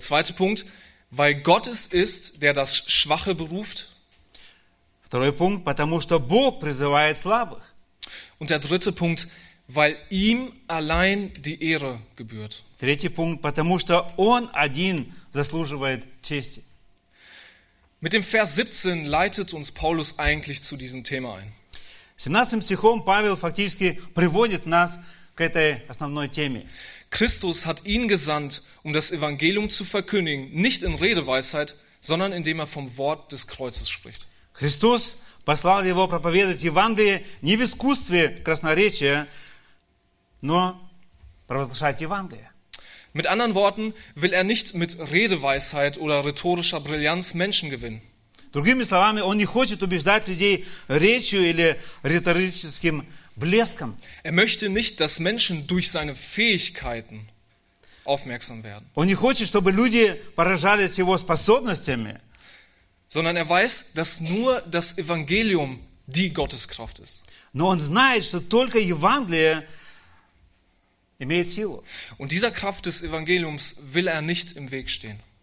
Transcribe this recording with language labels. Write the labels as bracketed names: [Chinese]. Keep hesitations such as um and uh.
[German] zweite Punkt, weil Gott es ist, der das Schwache beruft. [Russian] Второй пункт, потому что Бог призывает слабых. [German] Und der dritte Punkt, weil ihm allein die Ehre gebührt. [Russian] Träti Punkt, потому, что он один заслуживает Чести. [German] Mit dem Vers 17 leitet uns Paulus eigentlich zu diesem Thema ein. [Russian] 17 стихом Павел фактически приводит нас к этой основной теме. [German] Christus hat ihn gesandt, um das Evangelium zu verkündigen, nicht in Redeweisheit, sondern indem er vom Wort des Kreuzes spricht. [Russian] Христос послал его проповедовать Евангелие не в искусстве красноречия, nur провозглашать Евангелие. [German] Mit anderen Worten will er nicht mit Redeweisheit oder rhetorischer Brillanz Menschen gewinnen. [Russian] Другими словами, он не хочет убеждать людей речью или риторическим блеском. [German] Er möchte nicht, dass Menschen durch seine Fähigkeiten aufmerksam werden. [Russian] Он не хочет, чтобы люди поражались его способностями. [German] Sondern er weiß, dass nur das Evangelium die Gotteskraft ist. [Russian] Но он знает, что только Евангелие [German] und dieser Kraft des Evangeliums will er nicht im Weg stehen.